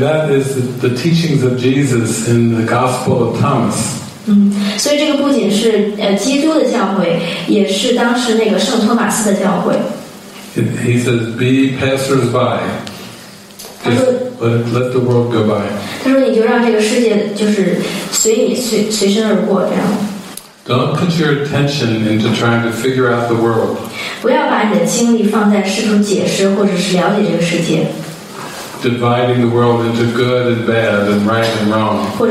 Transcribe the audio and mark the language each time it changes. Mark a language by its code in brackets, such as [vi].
[en] that is the teachings of Jesus in the Gospel of Thomas. [zh] 所以这个不仅是基督的教诲，也是当时那个圣托马斯的教诲。 [en] He says, be passers-by. Let the world go by. [zh] 他说你就让这个世界就是随身而过这样。 [en] Don't put your attention into trying to figure out the world. [zh] 不要把你的精力放在试图解释或者是了解这个世界。 [en] Dividing the world into good and bad and right and wrong.